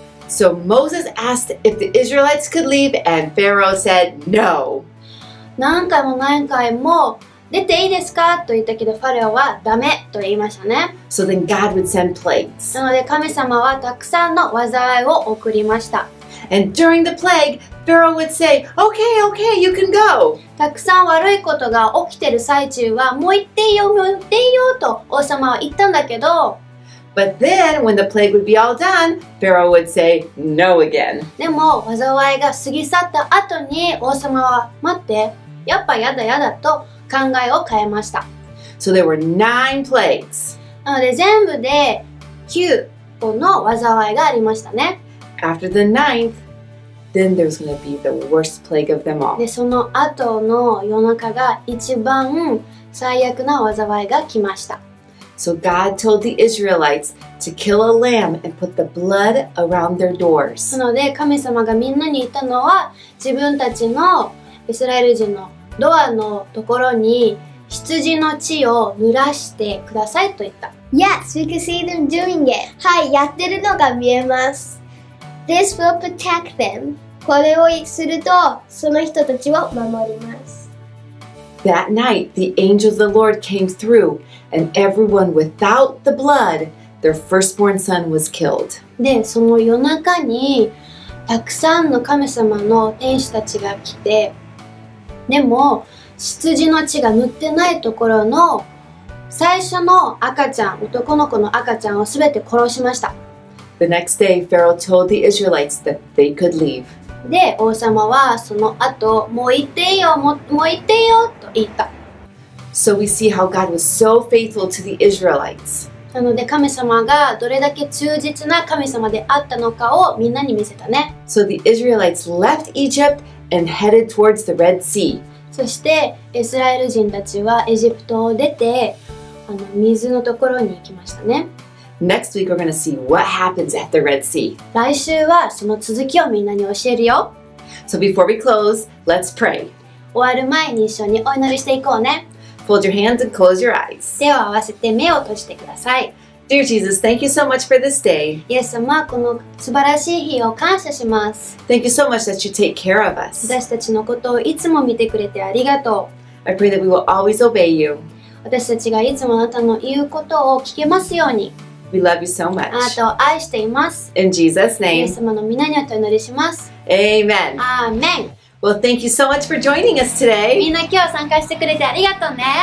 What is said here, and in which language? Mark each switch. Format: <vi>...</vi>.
<en>So Moses asked if the Israelites could leave and Pharaoh said no.</en> <ja>何回も何回も出ていいですかと言ったけど、ファレオはダメと言いましたね。</ja> <en>So then God would send plagues.</en> <ja>なので神様はたくさんの災いを送りました。</ja> <en>And during the plague, Pharaoh would say, okay, okay, you can go.</en> <ja>たくさん悪いことが起きてる最中は、もう行っていいよ、もう行っていいよと王様は言ったんだけど、</ja> <en>But then, when the plague would be all done, Pharaoh would say no again.</en> <ja>でも、災いが過ぎ去った後に王様は、待って、やっぱやだやだと考えを変えました。</ja> <en>So there were nine plagues.</en> <ja>なので、全部で9個の災いがありましたね。</ja> <en>After the ninth, then there was going to be the worst plague of them all.</en> <ja>で、その後の夜中が一番最悪な災いが来ました。</ja> <en>So God told the Israelites to kill a lamb and put the blood around their doors.</en> <ja>なので神様がみんなに言ったのは、自分たちのイスラエル人のドアのところに羊の血を濡らしてくださいと言った。</ja> <en>Yes, we can see them doing it.</en> <ja>はい、やってるのが見えます。</ja> <en>This will protect them.</en> <ja>これをするとその人たちを守ります。</ja> <en>That night, the angel of the Lord came through, and everyone without the blood, their firstborn son was killed.</en> <ja>で、その夜中にたくさんの神様の天使たちが来て、でも羊の血が塗ってないところの最初の赤ちゃん、男の子の赤ちゃんをすべて殺しました。</ja> <en>The next day, Pharaoh told the Israelites that they could leave.</en> <ja>で、王様はその後、もう行っていいよ、もう行っていいよと言った。</ja> <en>So we see how God was so faithful to the Israelites.</en> <ja>なので神様がどれだけ忠実な神様であったのかをみんなに見せたね。</ja> <en>So the Israelites left Egypt and headed towards the Red Sea.</en> <ja>そしてイスラエル人たちはエジプトを出て、水のところに行きましたね。</ja> <en>Next week we're going to see what happens at the Red Sea.</en> <ja>来週はその続きをみんなに教えるよ。</ja> <en>So before we close, let's pray.</en> <ja>終わる前に一緒にお祈りしていこうね。</ja> <en>Fold your hands and close your eyes.</en> <ja>では合わせて目を閉じてください。</ja> <en>Dear Jesus, thank you so much for this day.</en> <ja>イエス様、この素晴らしい日を感謝します。</ja> <en>Thank you so much that you take care of us.</en> <ja>私たちのことをいつも見てくれてありがとう。</ja> <en>I pray that we will always obey you.</en> <ja>私たちがいつもあなたの言うことを聞けますように。</ja> <en>We love you so much.</en> <ja>あなたを愛しています。</ja> <en>In Jesus' name.</en> <ja>イエス様の皆によってお祈りします。</ja> <en>Amen. Amen. Well, thank you so much for joining us today.</en> <ja>みんな今日参加してくれてありがとうね。</ja>